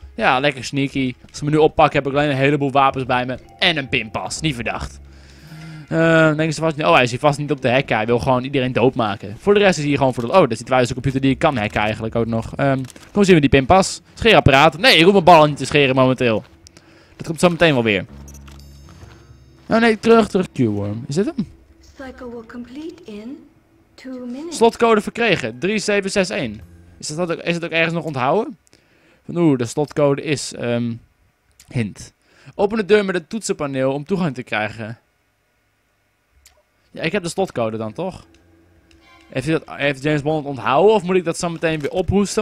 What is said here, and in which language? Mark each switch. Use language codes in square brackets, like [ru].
[nl] Ja, lekker sneaky. Als ik me nu oppak, heb ik alleen een heleboel wapens bij me. En een pinpas. Niet verdacht. Denken ze vast niet. Oh, hij is hier vast niet op de hack. Hij wil gewoon iedereen doodmaken. Voor de rest is hij hier gewoon voor de... Oh, dat is de computer die ik kan hacken eigenlijk ook nog. Kom, zien we die pinpas. Scheerapparaat. Nee, ik hoef mijn ballen niet te scheren momenteel. Dat komt zo meteen wel weer. Oh nee, terug Q-worm. Is dit hem? [en] Cycle will complete in 2 minutes. [nl] Slotcode verkregen. 3761. Is dat ook ergens nog onthouden? Van, de slotcode is... hint. Open de deur met het toetsenpaneel om toegang te krijgen... Ja, ik heb de slotcode dan, toch? Heeft James Bond onthouden of moet ik dat zo meteen weer ophoesten?